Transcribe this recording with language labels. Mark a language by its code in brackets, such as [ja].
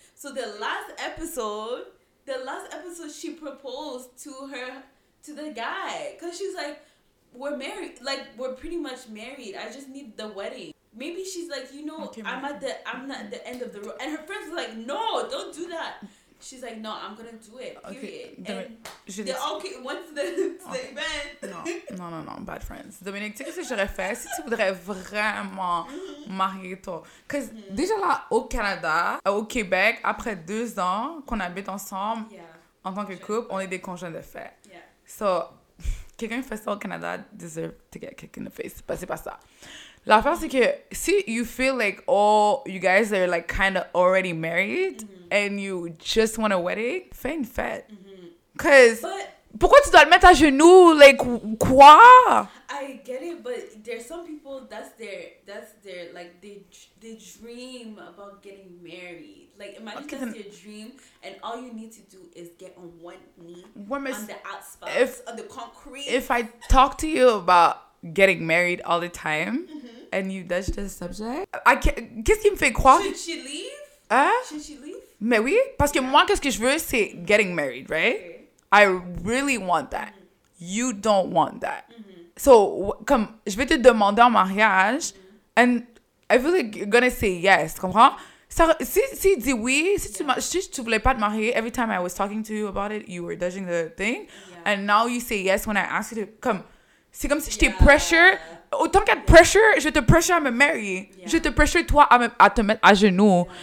[en] So the last episode, she proposed to the guy, because she's like, we're married, like, we're pretty much married, I just need the wedding. Maybe she's like, you know, okay, I'm not at the end of the road. And her friends are like, no, don't do that. She's like, no, I'm gonna do it, period. Okay, once the event. No, bad friends. [fr] Dominique, tu sais ce que j'aurais fait si tu voudrais vraiment marier toi? Because déjà là, au Canada, au Québec, après 2 ans qu'on habite ensemble, en tant que couple, on est des conjoints de fait. So, quelqu'un fait ça au Canada [en] deserve to get kicked in the face. [fr] But c'est pas ça. L'affaire, c'est que si [en] you feel like, oh, you guys are like kind of already married and you just want a wedding, [fr] fais une fête. Because, pourquoi tu dois le mettre à genoux? Like, quoi? [en] I get it, but there's some people that's their, like, they dream about getting married. Like, imagine that's your dream, and all you need to do is get on one knee on the asphalt, on the concrete. If I talk to you about getting married all the time, and you touch the subject, I can't. [fr] Qu'est-ce qui me fait croire? [en] Should she leave? Should she leave? [fr] Mais oui, parce que moi, qu'est-ce que je veux, c'est [en] getting married, right? Okay. I really want that. You don't want that. So, [fr] comme je vais te demander en mariage, [en] and I feel like you're gonna say yes, [fr] comprends? Ça, si il dit oui, si tu voulais pas te marier, [en] every time I was talking to you about it, you were dodging the thing. Yeah. And now you say yes when I ask you to come. [fr] C'est comme si je t'ai pressure. Autant qu'il y a de pressure, je te pressure à me marier. Yeah. Je te pressure toi à te mettre à genoux.